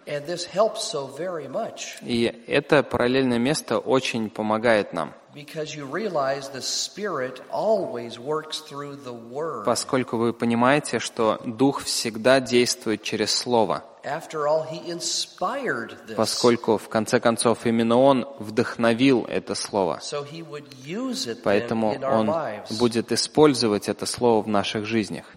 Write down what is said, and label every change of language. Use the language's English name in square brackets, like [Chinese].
[Russian] И это параллельное место очень помогает нам. [English] Because you realize the Spirit always works through the Word. [Russian] Поскольку вы понимаете, что Дух всегда действует через Слово. [English] After all, He inspired this. [Russian] Поскольку в конце концов именно Он вдохновил это Слово. [English] So He would use it in our lives. [Russian] Поэтому Он будет использовать это Слово в наших жизнях.